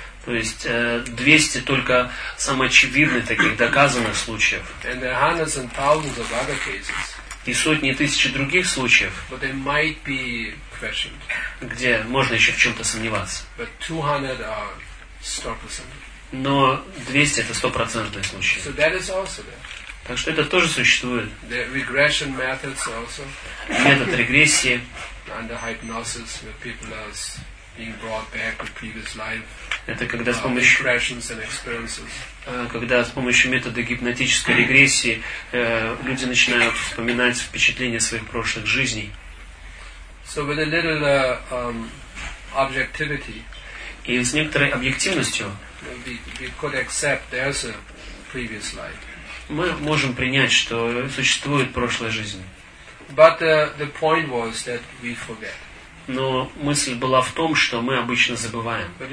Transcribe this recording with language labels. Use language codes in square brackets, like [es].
[ru] То есть 200 только самых очевидных таких доказанных случаев. [en] And there are hundreds and thousands of other cases. [ru] И сотни тысяч других случаев, [en] but they might be questioned. [ru] Где можно еще в чем-то сомневаться. [en] But 200 are 100%. [ru] Но 200 это 100% случаи. [en] So that is also there. [ru] Так что это тоже существует. [en] The regression methods also. [ru] Метод регрессии. [en] Under hypnosis, where people are being brought back to previous life. [ru] Это когда с помощью метода гипнотической регрессии люди начинают вспоминать впечатления своих прошлых жизней. [en] So with a little, objectivity, [ru] и с некоторой объективностью [en] we could accept there's a previous life. [ru] Мы можем принять, что существует прошлая жизнь. [en] But the point was that we forget. [ru] Но мысль была в том, что мы обычно забываем.